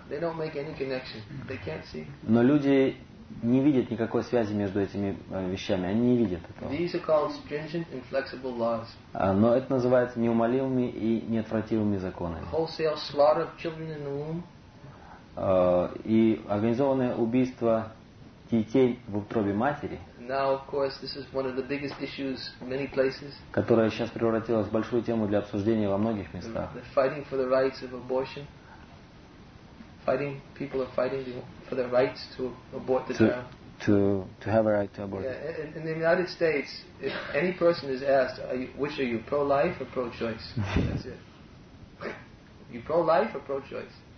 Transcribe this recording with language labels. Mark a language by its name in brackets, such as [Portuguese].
[Russian] Но люди не видят никакой связи между этими вещами. Они не видят этого. [English] These are called stringent and flexible laws. [Russian] Но это называется неумолимыми и неотвратимыми законами. [English] Wholesale slaughter of children in the womb. [Russian] И организованное убийство детей в утробе матери, [English] now, of course, this is one of the biggest issues in many places, [Russian] которая сейчас превратилась в большую тему для обсуждения во многих местах. [English] The fighting for the rights of abortion. Fighting, people are fighting for their rights to abort the child. To have a right to abort. Yeah, in the United States, if any person is asked, which are you, pro-life or pro-choice? That's it. You pro-life or pro-choice?